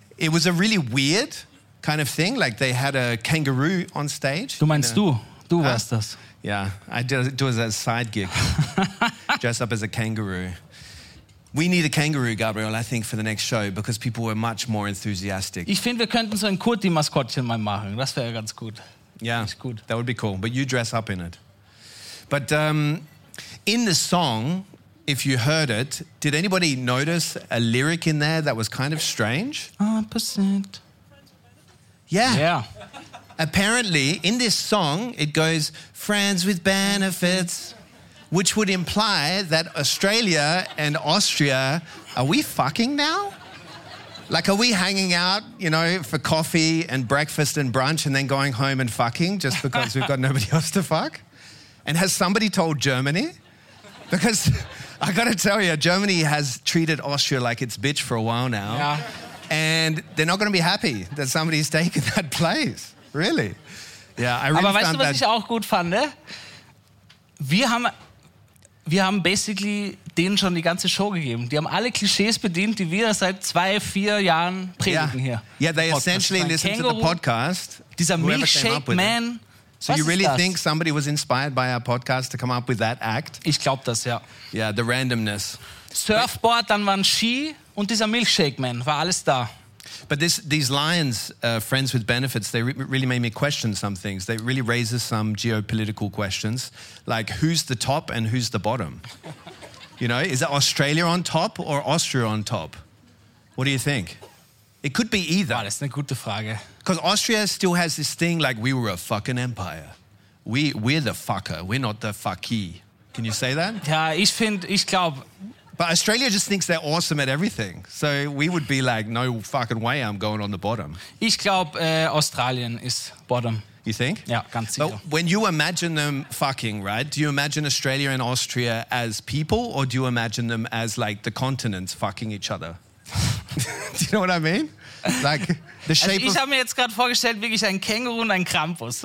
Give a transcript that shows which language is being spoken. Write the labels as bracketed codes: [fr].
[en] It was a really weird kind of thing. Like they had a kangaroo on stage. [de] Du meinst [en] you know? [de] Du warst das. [en] Yeah, I did it as a side gig. Dressed up as a kangaroo. We need a kangaroo, Gabriel, I think, for the next show because people were much more enthusiastic. [de] Ich finde, wir könnten so ein Kurti-Maskottchen mal machen. Das wäre ganz gut. [en] Yeah, [de] ganz gut. [en] That would be cool. But you dress up in it. But in the song, if you heard it, did anybody notice a lyric in there that was kind of strange? 1%. Yeah. Yeah. Apparently, in this song, it goes, friends with benefits, which would imply that Australia and Austria, are we fucking now? Like, are we hanging out, you know, for coffee and breakfast and brunch and then going home and fucking just because we've got nobody else to fuck? And has somebody told Germany? Because... I gotta tell you, Germany has treated Austria like its bitch for a while now. Yeah. And they're not gonna be happy that somebody's taken that place. Really? Yeah, I really [de] Aber weißt du, was ich auch gut fand? Wir haben wir haben basically denen schon die ganze Show gegeben. Die haben alle Klischees bedient, die wir seit 2-4 Jahren predigen hier. [en] Yeah, they essentially listened to the podcast. [de] Dieser Milkshake Man. [en] So you really think somebody was inspired by our podcast to come up with that act? [de] Ich glaube das, ja. [en] Yeah, the randomness. [de] Surfboard, dann waren Ski und dieser Milkshake Man, war alles da. [en] But these lions, friends with benefits, they really made me question some things. They really raises some geopolitical questions, like who's the top and who's the bottom? You know, is it Australia on top or Austria on top? What do you think? It could be either. [de] Wow, das ist eine gute Frage. [en] Because Austria still has this thing like we were a fucking empire. We're the fucker. We're not the fucky. Can you say that? [de] Ja, ich find, ich glaube. [en] But Australia just thinks they're awesome at everything. So we would be like, no fucking way I'm going on the bottom. [de] Ich glaube, Australien ist bottom. [en] You think? [de] Ja, ganz sicher. [en] But when you imagine them fucking, right, do you imagine Australia and Austria as people or do you imagine them as like the continents fucking each other? Do you know what I mean? Like the shape [de] also ich habe mir jetzt gerade vorgestellt, wirklich ein Känguru und ein Krampus.